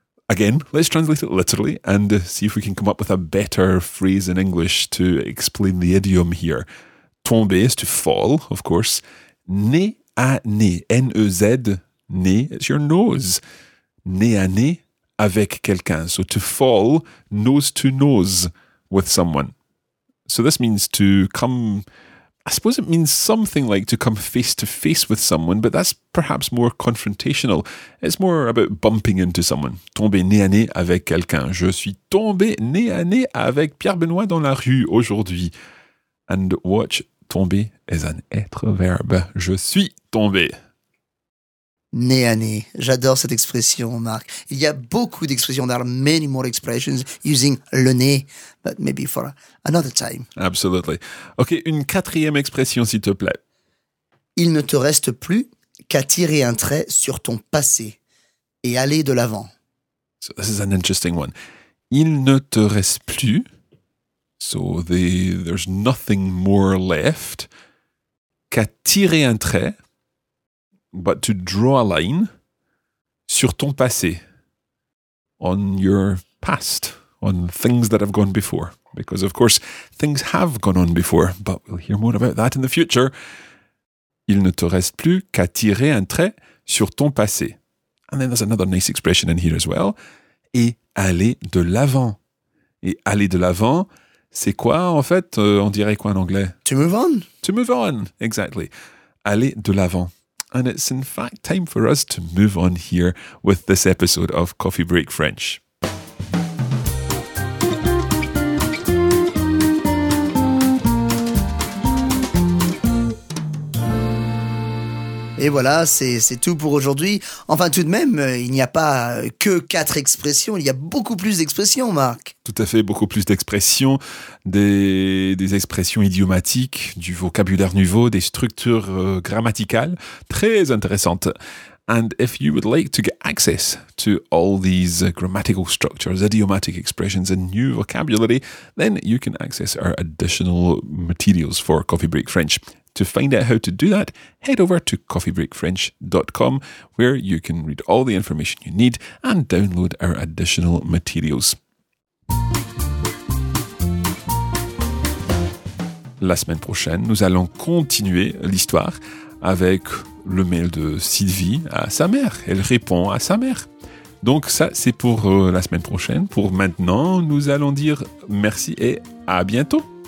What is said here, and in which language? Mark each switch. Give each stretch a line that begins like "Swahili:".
English: Again, let's translate it literally and see if we can come up with a better phrase in English to explain the idiom here. Tomber is to fall, of course.
French: Nez à nez,
English: N-E-Z, nez, it's your nose.
French: Nez à nez avec quelqu'un.
English: So to fall nose to nose with someone. So this means to come, I suppose it means something like to come face to face with someone, but that's perhaps more confrontational. It's more about bumping into someone.
French: Tomber nez à nez avec quelqu'un. Je suis tombé nez à nez avec Pierre-Benoît dans la rue aujourd'hui.
English: And watch, tomber is an être verbe.
French: Je suis tombé. Nez à nez. J'adore cette expression, Marc. Il y a beaucoup d'expressions.
English: There are many more expressions using le nez, but maybe for another time. Absolutely.
French: Ok, une quatrième expression, s'il te plaît. Il ne te reste plus qu'à tirer un trait sur ton passé et aller de l'avant.
English: So this is an interesting one.
French: Il ne te reste plus.
English: So there's nothing more left.
French: Qu'à tirer un trait,
English: but to draw a line,
French: sur ton passé.
English: On your past, on things that have gone before. Because, of course, things have gone on before, but we'll hear more about that in the future.
French: Il ne te reste plus qu'à tirer un trait sur ton passé.
English: And then there's another nice expression in here as well.
French: Et aller de l'avant. Et aller de l'avant, c'est quoi, en fait, on dirait quoi en anglais?
English: To move on. To move on, exactly.
French: Aller de l'avant.
English: And it's in fact time for us to move on here with this episode of Coffee Break French.
French: Et voilà, c'est tout pour aujourd'hui. Enfin, tout de même, il n'y a pas que quatre expressions, il y a beaucoup plus d'expressions, Marc. Tout à fait, beaucoup plus d'expressions, des expressions idiomatiques, du vocabulaire nouveau, des structures grammaticales très intéressantes.
English: And if you would like to get access to all these grammatical structures, idiomatic expressions and new vocabulary, then you can access our additional materials for Coffee Break French. To find out how to do that, head over to coffeebreakfrench.com where you can read all the information you need and download our additional materials.
French: La semaine prochaine, nous allons continuer l'histoire avec le mail de Sylvie à sa mère. Elle répond à sa mère. Donc ça, c'est pour la semaine prochaine. Pour maintenant, nous allons dire merci et à bientôt.